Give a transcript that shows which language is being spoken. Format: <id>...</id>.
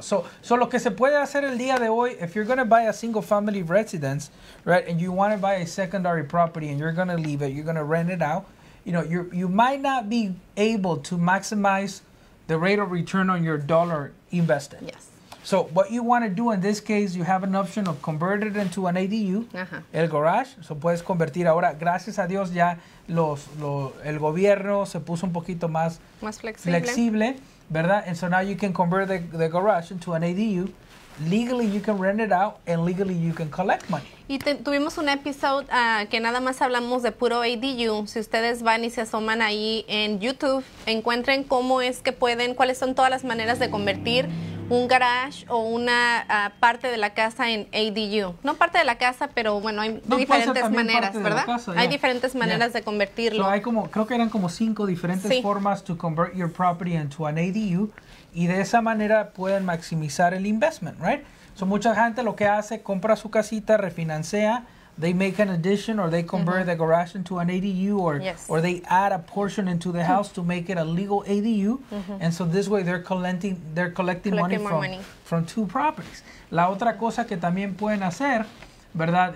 <en>So</en> <es>lo que se puede hacer el día de hoy,</es> <en>if you're going to buy a single family residence, right, and you want to buy a secondary property and you're going to leave it, you're going to rent it out, you know, you might not be able to maximize the rate of return on your dollar invested. Yes. So what you want to do in this case, you have an option of convert it into an ADU, uh-huh.</en> <es>El garage. So puedes convertir ahora. Gracias a Dios ya el gobierno se puso un poquito más flexible,</es> <en>¿verdad? And so now you can convert the garage into an ADU. Legally, you can rent it out, and legally, you can collect money.</en> <es>Y tuvimos un episodio que nada más hablamos de puro ADU. Si ustedes van y se asoman ahí en YouTube, encuentren cómo es que pueden, cuáles son todas las maneras de convertir un garage o una parte de la casa en ADU. No parte de la casa, pero bueno, hay diferentes maneras, ¿verdad? Hay diferentes maneras de convertirlo. So hay como, creo que eran como 5 diferentes formas</es> <en>to convert your property into an ADU.</en> <es>Y de esa manera pueden maximizar el investment, right?</es> <en>So</en> <es>mucha gente lo que hace, compra su casita, refinancia,</es> <en>they make an addition or they convert the garage into an ADU or they add a portion into the house to make it a legal ADU. And so this way they're collecting money from two properties.</en> <es>La otra cosa que también pueden hacer, ¿verdad?</es>